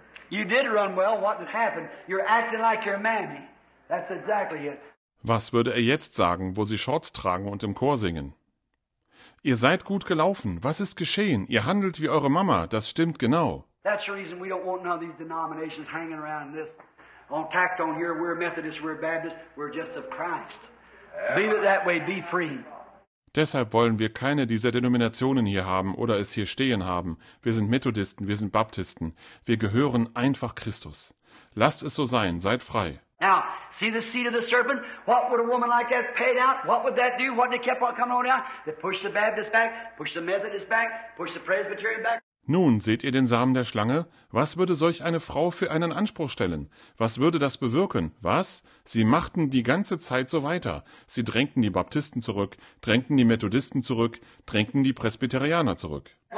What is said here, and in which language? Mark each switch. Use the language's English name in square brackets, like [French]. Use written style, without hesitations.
[English] You did run well. What had happened? You're acting like your mammy. That's exactly it. [German] Was würde er jetzt sagen, wo sie Shorts tragen und im Chor singen? Ihr seid gut gelaufen. Was ist geschehen? Ihr handelt wie eure Mama. Das stimmt genau. [English] That's the reason we don't want none of these denominations hanging around this. On tacked on here, we're Methodists, we're Baptists, we're just of Christ. Be it that way, be free. [German] Deshalb wollen wir keine dieser Denominationen hier haben oder es hier stehen haben. Wir sind Methodisten, wir sind Baptisten. Wir gehören einfach Christus. Lasst es so sein, seid frei. [English] Now, see the seed of the serpent? What would a woman like that pay out? What would that do? What they kept on coming on out? They pushed the Baptist back, pushed the Methodist back, pushed the Presbyterian back. [German] Nun, seht ihr den Samen der Schlange? Was würde solch eine Frau für einen Anspruch stellen? Was würde das bewirken? Was? Sie machten die ganze Zeit so weiter. Sie drängten die Baptisten zurück, drängten die Methodisten zurück, drängten die Presbyterianer zurück.